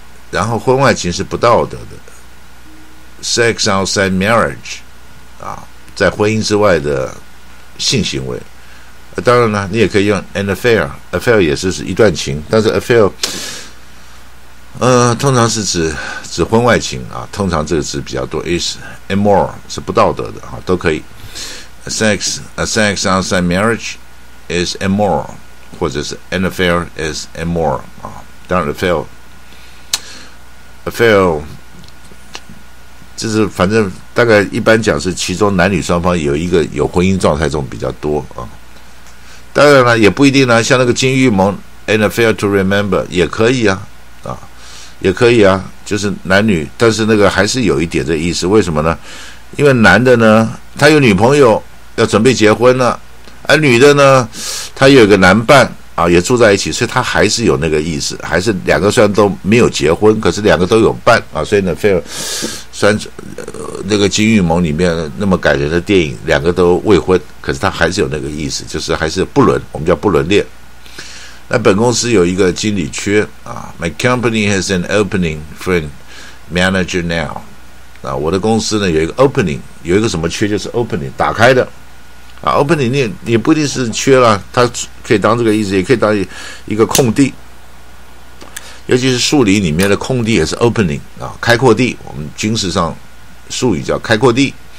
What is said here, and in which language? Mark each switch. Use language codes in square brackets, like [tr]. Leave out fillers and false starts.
[zh] 然后婚外情是不道德的 ， [en] sex outside marriage [zh] 啊，在婚姻之外的性行为。当然了，你也可以用 [en] an affair [zh] 也是一段情，但是 affair。通常是指婚外情啊，通常这个词比较多 ， [en] is immoral [zh] 是不道德的啊，都可以。 [en] Sex outside marriage is immoral， [zh] 或者是 [en] an affair is immoral 啊。 [zh] 当然 ，affair 就是反正大概一般讲是其中男女双方有一个有婚姻状态中比较多啊。当然了，也不一定呢，像那个金玉盟 [en] an affair to remember [zh] 也可以啊。也可以啊，就是男女，但是那个还是有一点的意思，为什么呢？因为男的呢，他有女朋友要准备结婚了，而女的呢，他有一个男伴啊，也住在一起，所以他还是有那个意思，还是两个虽然都没有结婚，可是两个都有伴啊，所以呢，菲尔算那个金玉盟里面那么感人的电影，两个都未婚，可是他还是有那个意思，就是还是不伦，我们叫不伦恋。那本公司有一个经理缺啊 [en] ，My company has an opening for a manager now。 [zh] 啊，我的公司呢有一个 opening， 有一个什么缺就是 opening， 打开的。啊 ，opening 也不一定是缺了，它可以当这个意思，也可以当一个空地。尤其是树林里面的空地也是 opening 啊，开阔地，我们军事上术语叫开阔地。